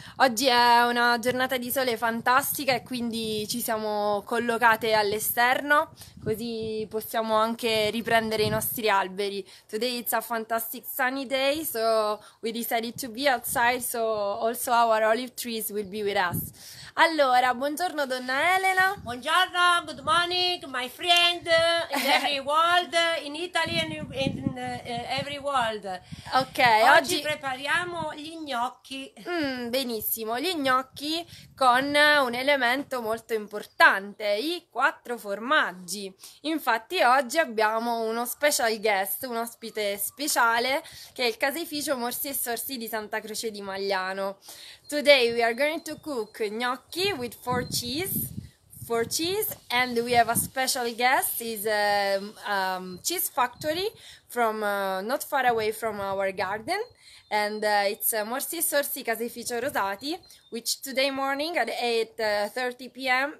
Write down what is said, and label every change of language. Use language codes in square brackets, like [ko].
[it] Oggi è una giornata di sole fantastica e quindi ci siamo collocate all'esterno, così possiamo anche riprendere i nostri alberi. [en] Today it's a fantastic sunny day, so we decided to be outside, so also our olive trees will be with us. [it] Allora, buongiorno donna Elena. [en] Buongiorno, good morning, my friend in every world, in Italy and in every world. Ok, [it] Oggi oggi. prepariamo gli gnocchi. Benissimo, gli gnocchi con un elemento molto importante, i quattro formaggi. Infatti, oggi abbiamo uno [en] special guest, [it] un ospite speciale, che è il caseificio Morsi e Sorsi di Santa Croce di Magliano. [en] Today we are going to cook gnocchi with four cheese, and we have a special guest. Is a cheese factory from not far away from our garden, and it's Morsi e Sorsi Caseificio Rosati, which today morning at 8:30 p.m.